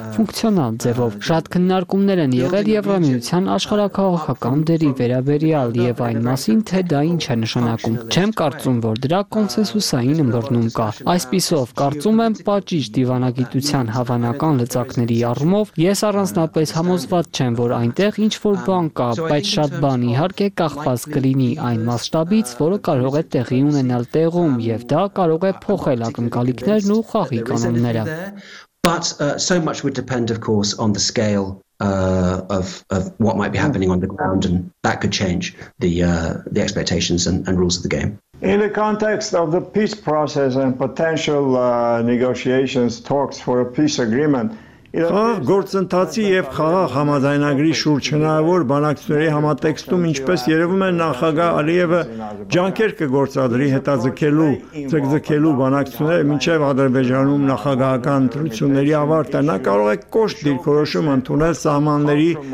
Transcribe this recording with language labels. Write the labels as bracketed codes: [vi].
[hy] ֆունկցիոնալ ձևով։ Շատ քննարկումներ են եղել Եվրամիության աշխարհակաղաքական դերի վերաբերյալ եւ այն մասին, թե դա ինչ է նշանակում։ Չեմ կարծում, որ դրա կոնսենսուսային ըմբռնում կա։ Այսպիսով, կարծում եմ, պատճիճ դիվանագիտության հավանական լծակների առումով ես առանձնապես համոզված չեմ, որ այնտեղ ինչ-որ բան կա, բայց շատ բան իհարկե կախված կլինի այն մասշտաբից, որը կարող է տեղի ունենալ տեղում, եւ դա կարող է փոխել ակնկալիքներն ու խաղի կանոնները։ [en] But so much would depend, of course, on the scale of what might be happening on the ground, and that could change the expectations and rules of the game. In the context of the peace process and potential negotiations, talks for a peace agreement, [hy] Խաղ գործընթացի եւ խաղաղ համաձայնագրի շուրջ հնարավոր բանակցությունների համատեքստում, ինչպես երևում է, նախագահ Ալիևը ջանքեր կգործադրի հետաձգելու, ձգձգելու բանակցությունները մինչեւ Ադրբեջանում նախագահական ընտրությունների ավարտը։ Նա կարող է կոշտ դիրքորոշում ընդունել սահմանների